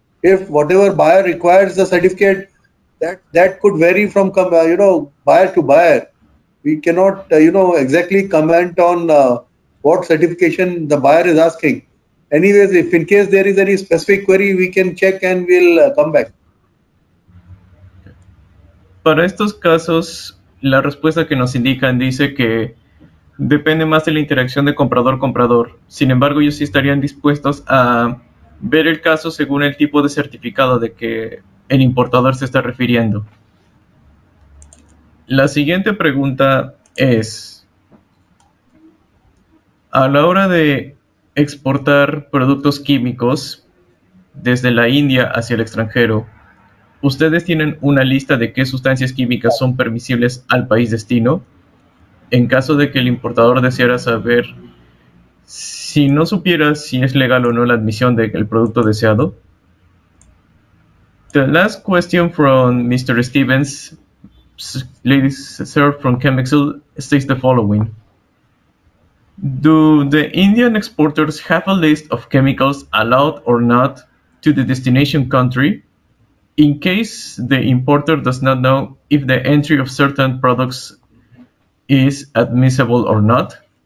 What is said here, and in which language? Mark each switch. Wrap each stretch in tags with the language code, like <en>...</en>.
<en>If whatever buyer requires the certificate, that could vary from, you know, buyer to buyer. We cannot, you know, exactly comment on what certification the buyer is asking. Anyways, if in case there is any specific query, we can check and we'll come back.</en> <es>Para estos casos, la respuesta que nos indican dice que depende más de la interacción de comprador-comprador. Sin embargo, ellos sí estarían dispuestos a ver el caso según el tipo de certificado de que el importador se está refiriendo. La siguiente pregunta es, a la hora de exportar productos químicos desde la India hacia el extranjero, ¿ustedes tienen una lista de qué sustancias químicas son permisibles al país destino? En caso de que el importador deseara saber, si no supiera si es legal o no la admisión del producto deseado.</es> <en>The last question from Mr. Stevens, ladies, sir, from Chemexil, states the following. Do the Indian exporters have a list of chemicals allowed or not to the destination country? In case the importer does not know if the entry of certain products is admissible or not?</en>